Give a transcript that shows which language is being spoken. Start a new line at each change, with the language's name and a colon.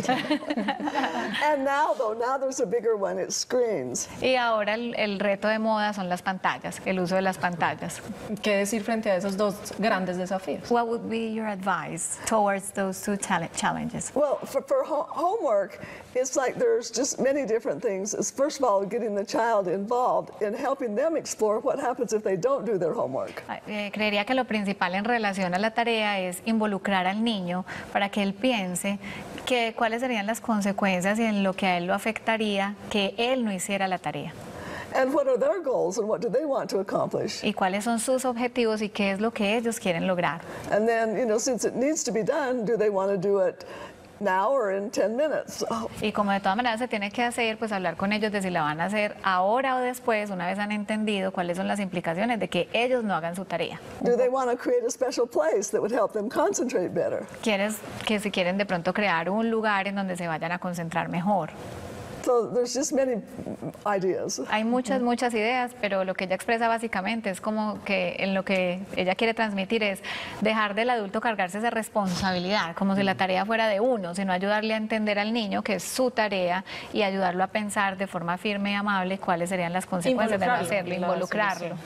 English: And now there's a bigger one, it's screens.
Spanish: Y ahora el reto de moda son las pantallas, el uso de las pantallas. ¿Qué decir frente a esos dos grandes desafíos?
English: What would be your advice towards those two challenges? Well, for homework, it's like there's just many different things. First of all, getting the child involved in helping them explore what happens if they don't do their homework.
Spanish: Creería que lo principal en relación a la tarea es involucrar al niño para que él piense que cuáles serían las consecuencias y en lo que a él lo afectaría que él no hiciera la tarea.
English: And what are their goals and what do they want to accomplish?
Spanish: ¿Y cuáles son sus objetivos y qué es lo que ellos quieren lograr?
English: And then, you know, since it needs to be done, do they want to do it now or in 10 minutes?
Spanish: Y como de todas maneras se tiene que hacer, pues hablar con ellos de si la van a hacer ahora o después, una vez han entendido cuáles son las implicaciones de que ellos no hagan su tarea.
English: Do they want to create a special place that would help them concentrate better?
Spanish: ¿Quieres que si quieren de pronto crear un lugar en donde se vayan a concentrar mejor?
English: So there's just many ideas.
Spanish: Hay muchas ideas, pero lo que ella expresa básicamente es como que en lo que ella quiere transmitir es dejar del adulto cargarse esa responsabilidad, como si la tarea fuera de uno, sino ayudarle a entender al niño que es su tarea y ayudarlo a pensar de forma firme y amable cuáles serían las consecuencias de no hacerlo, involucrarlo.